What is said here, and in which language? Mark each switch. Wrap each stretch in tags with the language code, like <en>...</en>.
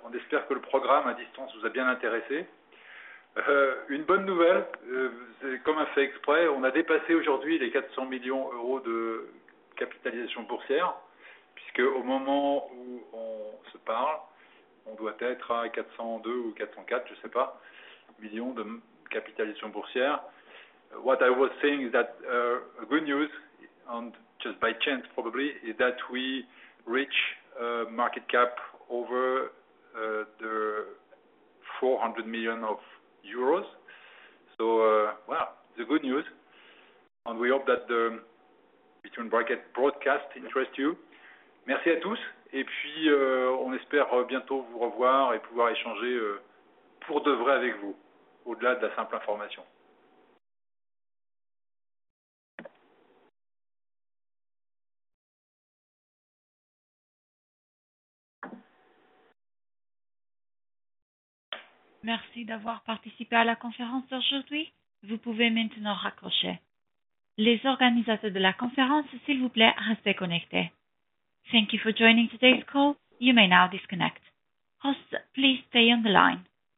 <fr>On espère que le programme à distance vous a bien intéressé. Une bonne nouvelle, c'est comme un fait exprès, on a dépassé aujourd'hui les 400 millions d'euros de capitalisation boursière, puisque au moment où on se parle, on doit être à 402 ou 404, je ne sais pas, millions de capitalisation boursière.</fr> <en>What I was saying is that good news, and just by chance probably, is that we reach market cap over the 400 million of euros. So, well, the good news, and we hope that the between bracket broadcast interests you.</en> <fr>Merci à tous, et puis on espère bientôt vous revoir et pouvoir échanger pour de vrai avec vous, au-delà de la simple information. Merci d'avoir participé à la conférence d'aujourd'hui. Vous pouvez maintenant raccrocher. Les organisateurs de la conférence, s'il vous plaît, restez connectés.</fr> <en>Thank you for joining today's call. You may now disconnect. Hosts, please stay on the line.</en>